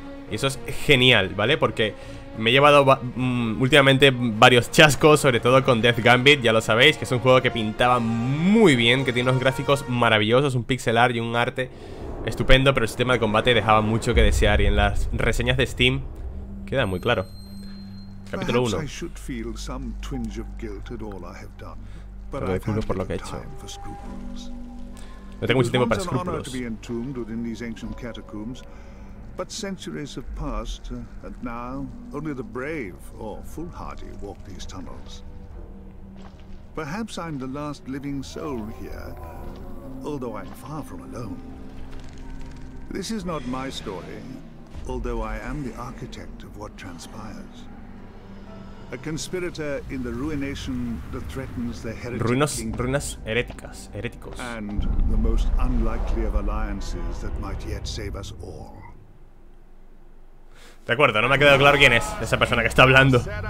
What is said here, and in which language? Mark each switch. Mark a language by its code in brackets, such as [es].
[es] Y eso es genial, ¿vale? Porque me he llevado últimamente varios chascos, sobre todo con Death Gambit, ya lo sabéis, que es un juego que pintaba muy bien, que tiene unos gráficos maravillosos, un pixel art y un arte estupendo, pero el sistema de combate dejaba mucho que desear y en las reseñas de Steam queda muy claro. Capítulo 1. [en] I should feel some twinge of guilt at all I have done, but I have no time for scruples. [es] No tengo mucho tiempo para escrúpulos. [en] To be entombed within these ancient catacombs, but centuries have passed, and now only the brave or foolhardy walk these tunnels. Perhaps I'm the last living soul here, although I'm far from alone. This is not my story, although I am the architect of what transpires. A conspirator in the ruination that threatens the heretic [es] ruinas heréticas, heréticos. [en] And the most unlikely of alliances that might yet save us all. [es] De acuerdo, no me ha quedado claro quién es esa persona que está hablando.